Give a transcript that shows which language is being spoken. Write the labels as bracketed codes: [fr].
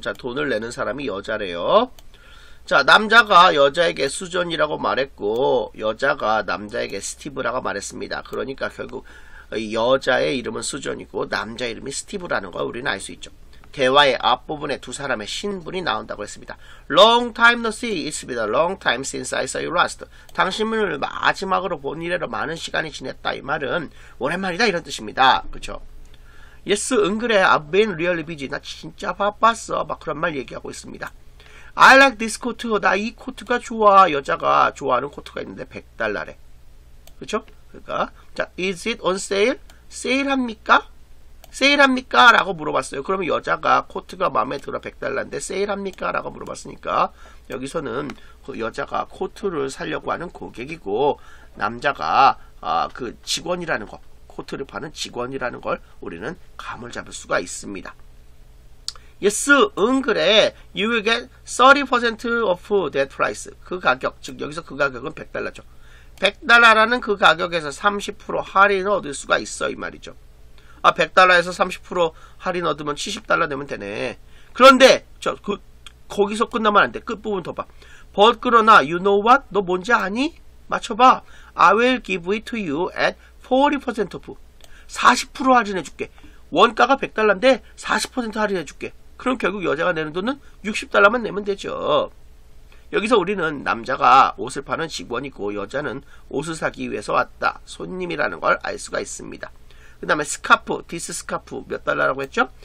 [ko] 자, 돈을 내는 사람이 여자래요. 자, 남자가 여자에게 수전이라고 말했고 여자가 남자에게 스티브라고 말했습니다. 그러니까 결국 여자의 이름은 수전이고 남자 이름이 스티브라는 걸 우리는 알 수 있죠. 대화의 앞부분에 두 사람의 신분이 나온다고 했습니다. [en] Long time no see. It's been a long time since I saw you last. [ko] 당신을 마지막으로 본 이래로 많은 시간이 지냈다. 이 말은 오랜만이다 이런 뜻입니다. 그렇죠? [en] Yes, [ko] 응그래. [en] I've been really busy. [ko] 나 진짜 바빴어. 막 그런 말 얘기하고 있습니다. [en] I like this coat. [ko] 나 이 코트가 좋아. 여자가 좋아하는 코트가 있는데 $100래. 그렇죠? 그러니까 자, [en] Is it on sale? [ko] 세일합니까? 세일합니까? 라고 물어봤어요. 그러면 여자가 코트가 마음에 들어 100달러인데 세일합니까? 라고 물어봤으니까 여기서는 그 여자가 코트를 사려고 하는 고객이고 남자가 그 직원이라는 거, 코트를 파는 직원이라는 걸 우리는 감을 잡을 수가 있습니다. [en] Yes, [ko] 응, 그래. [en] You will get 30% of that price. [ko] 그 가격, 즉 여기서 그 가격은 100달러죠. 100달러라는 그 가격에서 30% 할인을 얻을 수가 있어, 이 말이죠. 아, 100달러에서 30% 할인 얻으면 70달러 되면 되네. 그런데 저 그 거기서 끝나면 안 돼. 끝부분 더 봐. But 그러나 [en] you know what? [ko] 너 뭔지 아니? 맞춰봐. [en] I will give it to you at 40% off. [ko] 40% 할인해 줄게. 원가가 100달러인데 40% 할인해 줄게. 그럼 결국 여자가 내는 돈은 60달러만 내면 되죠. 여기서 우리는 남자가 옷을 파는 직원이고 여자는 옷을 사기 위해서 왔다. 손님이라는 걸 알 수가 있습니다. 그 다음에 스카프, 디스 스카프 몇 달러라고 했죠?